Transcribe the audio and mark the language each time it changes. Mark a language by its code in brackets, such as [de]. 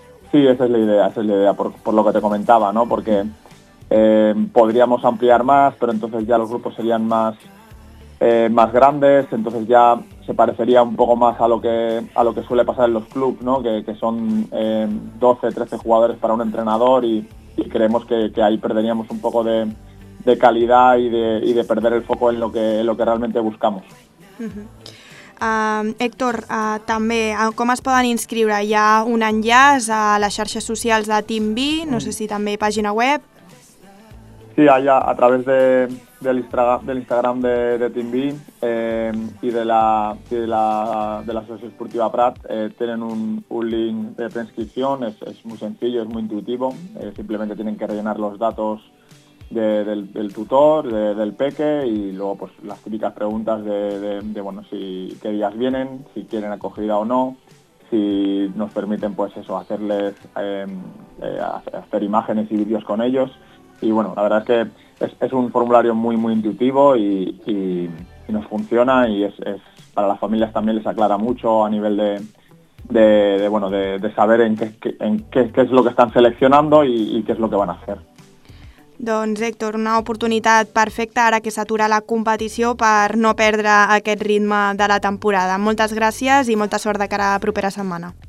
[es] Sí, esa es la idea, por lo que te comentaba, ¿no? Porque podríamos ampliar más, pero entonces ya los grupos serían más grandes, entonces ya se parecería un poco más a lo que suele pasar en los clubs, ¿no? Que son 12, 13 jugadores para un entrenador y creemos que ahí perderíamos un poco de calidad y de perder el foco en lo que realmente buscamos. [ca] Uh-huh. Héctor, també, com es poden inscriure? Hi ha un enllaç a les xarxes socials de Team B, no sé si també pàgina web. Sí, allà, a través de l'Instagram de Team B i de la Associació Esportiva Prat, tenen un link de preinscripció, és molt senzill, és molt intuitiu, simplement tenen que rellenar els dades del tutor, del peque, [es] y luego las típicas preguntas de si qué días vienen, si quieren acogida o no, si nos permiten hacerles hacer imágenes y vídeos con ellos. Y bueno, la verdad es que es un formulario muy muy intuitivo y nos funciona, y es para las familias también, les aclara mucho a nivel de saber en qué es lo que están seleccionando y qué es lo que van a hacer. [ca] Doncs, Héctor, una oportunitat perfecta ara que s'atura la competició per no perdre aquest ritme de la temporada. Moltes gràcies i molta sort de cara a la propera setmana.